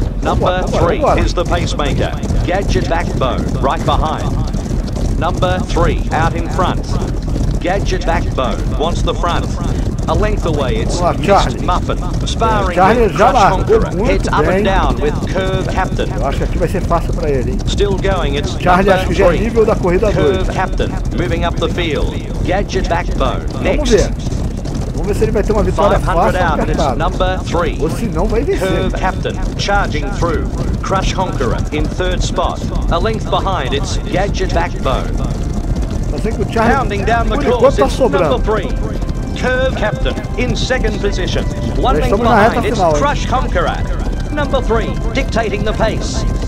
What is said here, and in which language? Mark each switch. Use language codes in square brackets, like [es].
[en] Boa. Number 3 is the pacemaker. Gadget Backbone right behind. Number 3 out in front. Gadget Backbone wants the front. A length away, it's Mr. Muffin. Sparring with Crutch Conqueror. Heads up and down with Curve Captain. [pt] Eu acho que aqui vai ser fácil para ele, hein? [en] Still going, it's [pt] Charlie, acho que já é nível da corrida 2. [en] Curve Captain moving up the field. Gadget Backbone next. [pt] Vamos ver se ele vai ter uma vitória fácil ou apertada. Ou se não, vai vencer. [en] Curve Captain charging through. Crutch Conqueror in third spot. A length behind, it's Gadget Backbone. Pounding down the course, it's number 3. Curve Captain in second position. One [pt] Estamos [en] length behind, [pt] final, [en] it's Crush Conqueror. Number 3, dictating the pace.